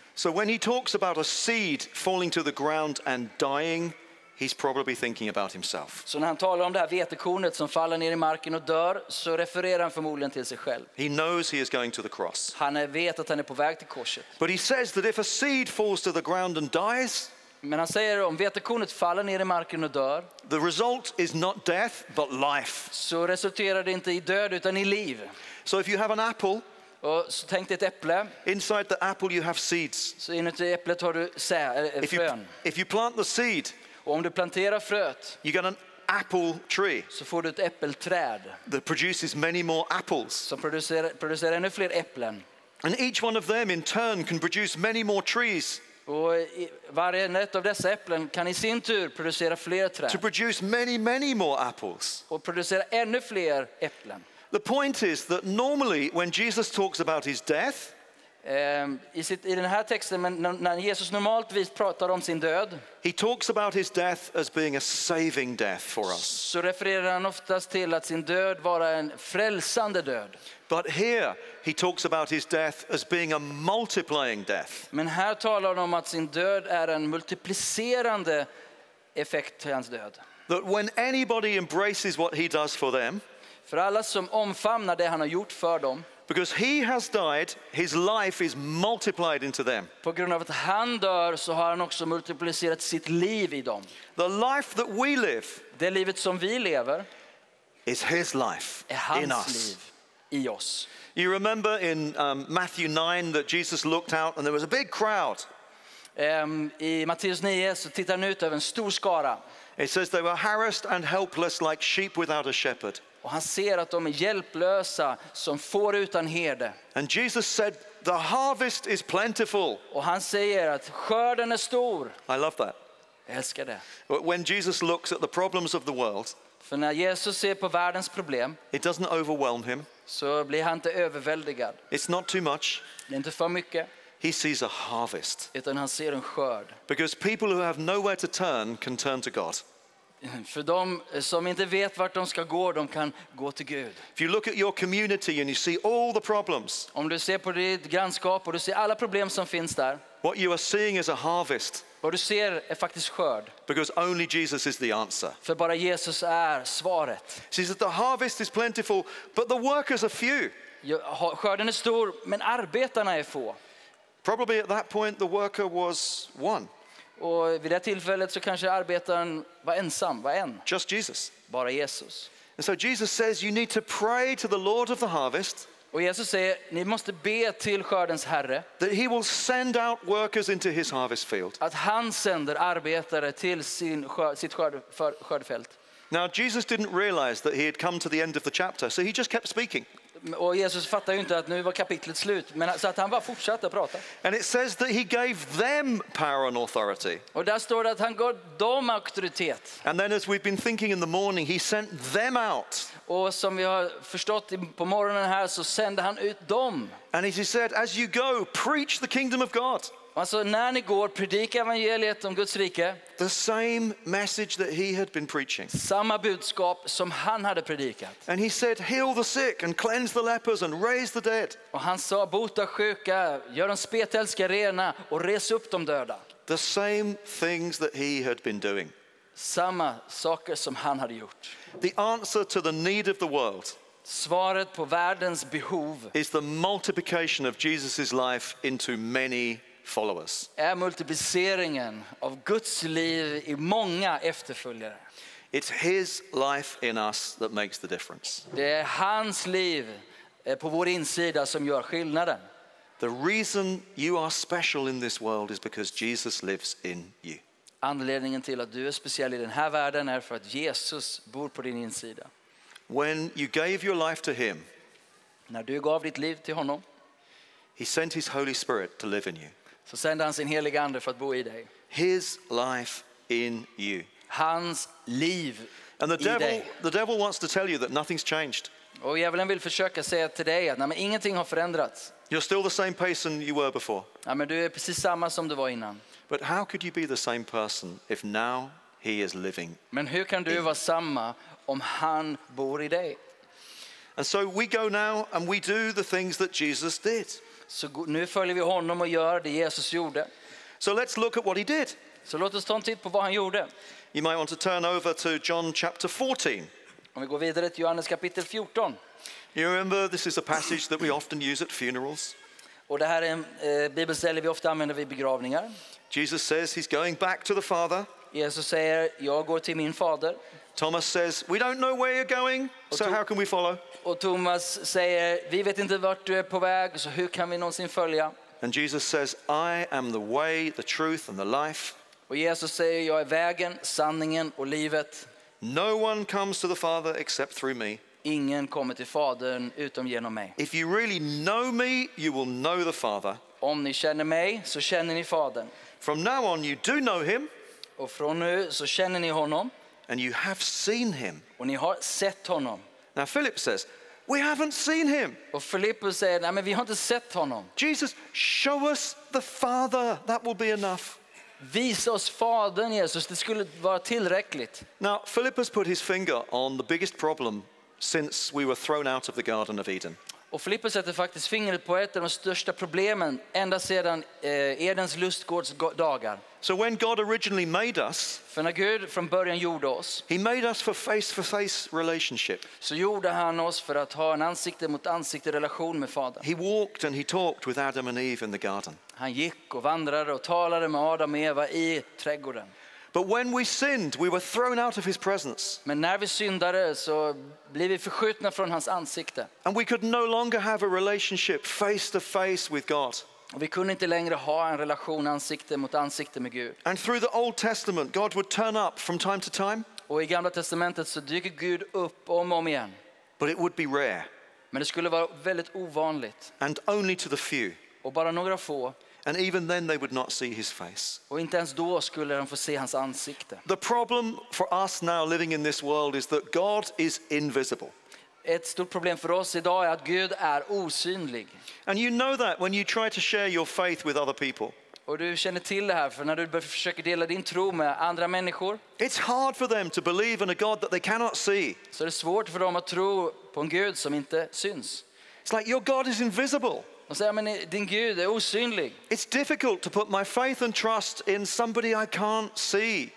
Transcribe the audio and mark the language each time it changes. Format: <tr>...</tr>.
<en>So when he talks about a seed falling to the ground and dying, he's probably thinking about himself.</en> <sv>Så när han talar om det här vetekornet som faller ner I marken och dör, så refererar han förmodligen till sig själv.</sv> <en>He knows he is going to the cross.</en> <sv>Han vet att han är på väg till korset.</sv> <en>But he says that if a seed falls to the ground and dies,</en> <sv>men han säger om vetekornet faller ner I marken och dör,</sv> <en>the result is not death but life.</en> <sv>Så resulterar det inte I död utan I liv.</sv> <en>So if you have an apple,</en> <sv>och så tänk dig ett äpple.</sv> <en>Inside the apple you have seeds.</en> <sv>Så inuti äpplet har du frön.</sv> <en>If you plant the seed,</en> <sv>och om du planterar fröet,</sv> <en>you got an apple tree.</en> <sv>Så får du ett äppelträd.</sv> <en>That produces many more apples.</en> <sv>Som producerar ännu fler äpplen.</sv> <en>And each one of them in turn can produce many more trees.</en> <sv>Och varje ett av dessa äpplen kan I sin tur producera fler träd.</sv> <en>To produce many, many more apples.</en> <sv>Och producera ännu fler äpplen.</sv> <en>The point is that normally when Jesus talks about his death,</en> <sv>I den här texten, men när Jesus normalt vis pratar om sin död,</sv> <en>he talks about his death as being a saving death for us.</en> <sv>Så refererar han oftast till att sin död vara en frälsande död.</sv> <en>But here he talks about his death as being a multiplying death.</en> <sv>Men här talar han om att sin död är en multiplicerande effekt till hans död.</sv> <en>That when anybody embraces what he does for them,</en> <sv>för alla som omfamnar det han har gjort för dem.</sv> <en>Because he has died, his life is multiplied into them.</en> <sv>På grund av att han dör så har han också multiplicerat sitt liv i dem.</sv> <en>The life that we live,</en> <sv>det livet som vi lever,</sv> <en>is his life</en> <sv>är hans</sv> <en>in us.</en> <sv>Liv I oss.</sv> <en>You remember in Matthew 9 that Jesus looked out and there was a big crowd.</en> <sv>I Matteus 9 så tittar han ut över en stor skara.</sv> <en>It says they were harassed and helpless like sheep without a shepherd.</en> <sv>Och han ser att de är hjälplösa som får utan herde.</sv> <en>And Jesus said, the harvest is plentiful.</en> <sv>Och han säger att skörden är stor.</sv> <en>I love that.</en> <sv>Jag älskar det.</sv> <en>When Jesus looks at the problems of the world,</en> <sv>för när Jesus ser på världens problem,</sv> <en>it doesn't overwhelm him.</en> <sv>Så blir han inte överväldigad.</sv> <en>It's not too much.</en> <sv>Det är inte för mycket.</sv> <en>He sees a harvest.</en> <sv>Utan han ser en skörd.</sv> <en>Because people who have nowhere to turn can turn to God.</en> <sv>För de som inte vet vart de ska gå, de kan gå till Gud.</sv> <en>If you look at your community and you see all the problems,</en> <sv>om du ser på ditt grannskap och du ser alla problem som finns där,</sv> <en>what you are seeing is a harvest.</en> <sv>Vad du ser är faktiskt skörd.</sv> <en>Because only Jesus is the answer.</en> <sv>För bara Jesus är svaret.</sv> <en>See that the harvest is plentiful, but the workers are few.</en> <sv>Skörden är stor, men arbetarna är få.</sv> <en>Probably at that point the worker was one.</en> <sv>Och vid det tillfället så kanske arbetaren var ensam, var en.</sv> <en>Just Jesus.</en> <sv>Bara Jesus.</sv> <en>And so Jesus says you need to pray to the Lord of the harvest.</en> <sv>Och Jesus säger ni måste be till skördens herre.</sv> <en>That he will send out workers into his harvest field.</en> <sv>Att han sänder arbetare till sitt skördefält.</sv> <en>Now Jesus didn't realize that he had come to the end of the chapter, so he just kept speaking.</en> <sv>Och Jesus fattar ju inte att nu var kapitlet slut, men så att han bara fortsatte att prata.</sv> <en>And it says that he gave them power and authority.</en> <sv>Och där står det att han gav dem auktoritet.</sv> <en>And then as we've been thinking in the morning, he sent them out.</en> <sv>Och som vi har förstått på morgonen här så sände han ut dem.</sv> <en>And as he said, as you go, preach the kingdom of God.</en> <sv>Alltså när ni går, predika evangeliet om Guds rike.</sv> <en>The same message that he had been preaching.</en> <sv>Samma budskap som han hade predikat.</sv> <en>And he said, heal the sick and cleanse the lepers and raise the dead.</en> <sv>Och han sa, bota sjuka, gör de spetälska rena och res upp de döda.</sv> <en>The same things that he had been doing.</en> <sv>Samma saker som han hade gjort.</sv> <en>The answer to the need of the world.</en> <sv>Svaret på världens behov.</sv> <en>Is the multiplication of Jesus' life into many followers.</en> <sv>Är multipliceringen av Guds liv I många efterföljare.</sv> <en>It's his life in us that makes the difference.</en> <sv>Det är hans liv på vår insida som gör skillnaden.</sv> <en>The reason you are special in this world is because Jesus lives in you.</en> <sv>Anledningen till att du är speciell I den här världen är för att Jesus bor på din insida.</sv> <en>When you gave your life to him,</en> <sv>när du gav ditt liv till honom,</sv> <en>he sent his Holy Spirit to live in you.</en> <sv>Så sände han sin heliga ande för att bo I dig.</sv> <en>His life in you.</en> <sv>Hans liv I dig.</sv> <en>And the devil wants to tell you that nothing's changed.</en> <sv>Och djävulen vill försöka säga till dig att nej, men ingenting har förändrats.</sv> <en>You're still the same person you were before.</en> <sv>Ja, men du är precis samma som du var innan.</sv> <en>But how could you be the same person if now he is living?</en> <sv>Men hur kan du vara samma om han bor I dig?</sv> <en>And so we go now and we do the things that Jesus did.</en> <sv>Så nu följer vi honom och gör det Jesus gjorde.</sv> <en>So let's look at what he did.</en> <sv>Så låt oss ta en titt på vad han gjorde.</sv> <en>You might want to turn over to John chapter 14.</en> <sv>Om vi går vidare till Johannes kapitel 14.</sv> <en>You remember this is a passage that we often use at funerals.</en> <sv>Och det här är en bibelställe vi ofta använder vid begravningar.</sv> <en>Jesus says he's going back to the Father.</en> <sv>Jesus säger jag går till min fader.</sv> <en>Thomas says, we don't know where you're going, so how can we follow?</en> <sv>Och Thomas säger, vi vet inte vart du är på väg, så hur kan vi någonsin följa?</sv> <en>And Jesus says, I am the way, the truth and the life.</en> <sv>Och Jesus säger, jag är vägen, sanningen och livet.</sv> <en>No one comes to the Father except through me.</en> <sv>Ingen kommer till Fadern utom genom mig.</sv> <en>If you really know me, you will know the Father.</en> <sv>Om ni känner mig, så känner ni Fadern.</sv> <en>From now on you do know him.</en> <sv>Och från nu så känner ni honom.</sv> <en>And you have seen him.</en> <sv>Och ni har sett honom.</sv> <en>Now Philip says, We haven't seen him.</en> <sv>Och Filippus säger, nej men vi har inte sett honom.</sv> <en>Jesus, show us the Father. That will be enough.</en> <sv>Visa oss Fadern Jesus, det skulle vara tillräckligt.</sv> <en>Now, Philippus put his finger on the biggest problem since we were thrown out of the Garden of Eden.</en> <sv>Och Filippus sätter faktiskt fingret på ett av de största problemen ända sedan Edens lustgårds dagar.</sv> <en>So when God originally made us,</en> <sv>för när Gud från början gjorde oss,</sv> <en>he made us for face-to-face relationship.</en> <sv>Så gjorde han oss för att ha en ansikte mot ansikte relation med Fadern.</sv> <en>He walked and he talked with Adam and Eve in the garden.</en> <sv>Han gick och vandrade och talade med Adam och Eva i trädgården.</sv> <en>But when we sinned, we were thrown out of his presence.</en> <sv>Men när vi syndade så blev vi förskjutna från hans ansikte.</sv> <en>And we could no longer have a relationship face to face with God.</en> <sv>Vi kunde inte längre ha en relation ansikte mot ansikte med Gud.</sv> <en>And through the Old Testament, God would turn up from time to time.</en> <sv>Och i Gamla testamentet så dyker Gud upp om och om igen.</sv> <en>But it would be rare.</en> <sv>Men det skulle vara väldigt ovanligt.</sv> <en>And only to the few.</en> <sv>Och bara några få.</sv> <en>And even then they would not see his face.</en> <sv>Och inte ens då skulle de få se hans ansikte.</sv> <en>The problem for us now living in this world is that God is invisible.</en> <sv>Ett stort problem för oss idag är att Gud är osynlig.</sv> <en>And you know that when you try to share your faith with other people.</en> <sv>Och du känner till det här för när du försöker dela din tro med andra människor.</sv> <en>It's hard for them to believe in a God that they cannot see.</en> <sv>Så det är svårt för dem att tro på en Gud som inte syns.</sv> <en>It's like your God is invisible.</en> <sv>Din Gud är osynlig.</sv> <en>It's difficult to put my faith and trust in somebody I can't see.</en>